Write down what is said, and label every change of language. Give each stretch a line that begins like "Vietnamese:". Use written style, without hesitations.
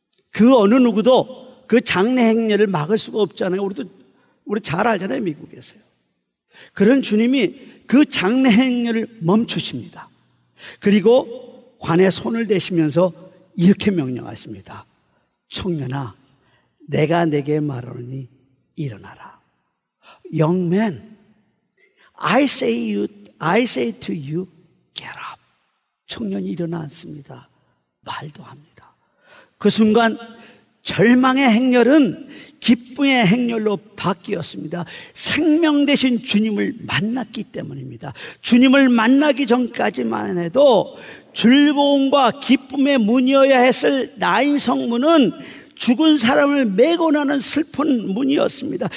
Korean: 그 어느 누구도 그 장래 행렬을 막을 수가 없잖아요. 우리 잘 알잖아요. 미국에서요. 그런 주님이 그 장래 행렬을 멈추십니다. 그리고 관에 손을 대시면서 이렇게 명령하십니다. 청년아, 내가 네게 말하노니 일어나라.
English: Young man, I say to you, get up.
Korean: 청년이 일어나 앉습니다. 말도 합니다. 그 순간 절망의 행렬은 기쁨의 행렬로 바뀌었습니다. 생명 되신 주님을 만났기 때문입니다. 주님을 만나기 전까지만 해도 즐거움과 기쁨의 문이어야 했을 나인성 문은 죽은 사람을 메고 나는 슬픈 문이었습니다.